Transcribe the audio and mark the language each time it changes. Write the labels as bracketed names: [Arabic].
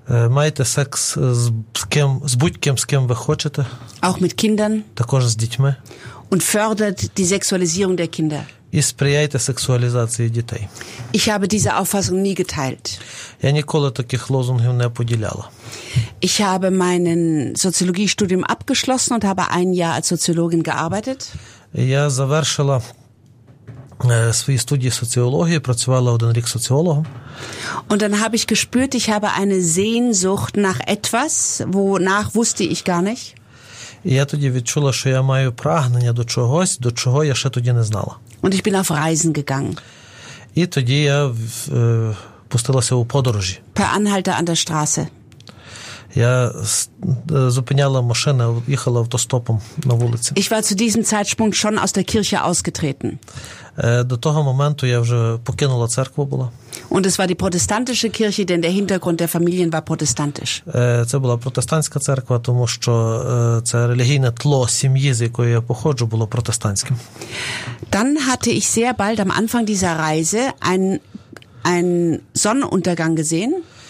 [Ukrainian] Маєте секс з будь-ким, з ким ви хочете. [German] Auch mit Kindern. [Ukrainian] Також з дітьми. [German] Und fördert die Sexualisierung der Kinder. [Ukrainian] І сприяйте сексуалізації дітей. [German] Ich habe diese Auffassung nie geteilt. [Ukrainian] Я ніколи таких лозунгів не поділяла. [German] Ich habe mein Soziologiestudium abgeschlossen und habe ein Jahr als Soziologin gearbeitet. [Ukrainian] Я завершила свої студії соціології, працювала один рік соціологом. [German] Und dann habe ich gespürt, ich habe eine Sehnsucht nach etwas, wonach wusste ich gar nicht. [Ukrainian] Я тоді відчула, що я маю прагнення до чогось, до чого я ще тоді не знала. [German] Und ich bin auf Reisen gegangen. [Ukrainian] І тоді я пустилася у подорожі. [German] Per Anhalter an der Straße. [Ukrainian] Я зупиняла машини, їхала автостопом на вулиці. [German] Ich war zu diesem Zeitpunkt schon aus der Kirche ausgetreten. [Ukrainian] До того моменту я вже покинула церкву була. [German] Und es war die protestantische Kirche, denn der Hintergrund der Familien war protestantisch. [Ukrainian] Це була протестантська церква, тому що це релігійне тло сім'ї, з якої я походжу, було протестантським. [German] Dann hatte ich sehr bald am Anfang dieser Reise einen Sonnenuntergang gesehen.